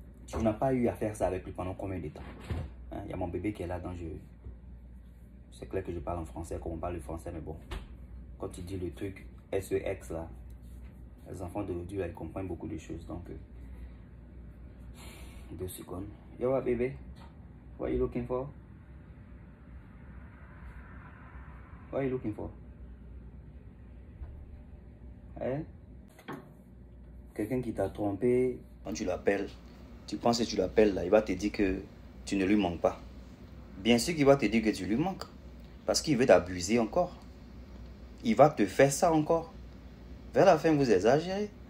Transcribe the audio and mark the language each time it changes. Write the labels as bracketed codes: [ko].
[fr] Tu n'as pas eu à faire ça avec lui pendant combien de temps? Hein? Il y a mon bébé qui est là, donc je. C'est clair que je parle en français, comme on parle le français, mais bon. Quand tu dis le truc SEX là, les enfants de Dieu, ils comprennent beaucoup de choses. Donc, 2 secondes. [en] Yo, what, [fr] bébé? [en] What are you looking for? What are you looking for? Hein? [fr] Quelqu'un qui t'a trompé, quand tu l'appelles, tu penses que tu l'appelles là, il va te dire que tu ne lui manques pas. Bien sûr qu'il va te dire que tu lui manques. Parce qu'il veut t'abuser encore. Il va te faire ça encore. Vers la fin, vous exagérez.